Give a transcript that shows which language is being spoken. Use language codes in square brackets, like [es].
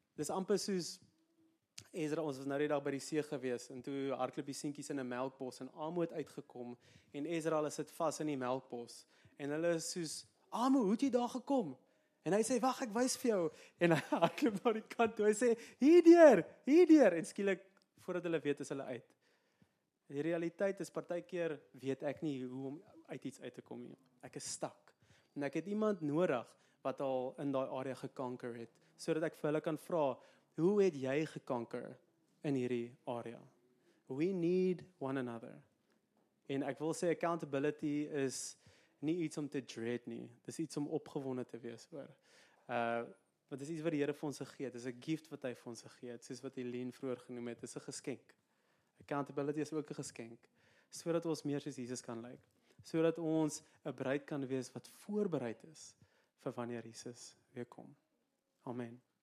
[af] Dis amper soos Ezra, ons was nou die dag by die see gewees en toe hardloop die seentjies in 'n melkbos en Amo het uitgekom en Ezra hulle sit vas in die melkbos en hulle is soos Amo, hoe het jy daar gekom? En hy sê wag, ek wys vir jou en hy hardloop na die kant toe. Hy sê hier deur en skielik voordat hulle weet is hulle uit. Die realiteit is partykeer weet ek nie hoe om uit iets uit te kom nie. Ek is stak en ek het iemand nodig wat al in daai area gekanker het sodat ek vir hulle kan vra hoe het jy gekanker in hierdie area? [en] We need one another. [af] En ek wil sê accountability is nie iets om te dread nie. Dis iets om opgewonde te wees oor. Want dis iets wat die Here vir ons gegee het. Dis 'n gift wat hy vir ons gegee het, soos wat Helene vroeër genoem het. Dis 'n geskenk. Accountability is ook 'n geskenk. Sodat ons meer soos Jesus kan lyk. Sodat ons 'n bruid kan wees wat voorbereid is vir wanneer Jesus weer kom. Amen.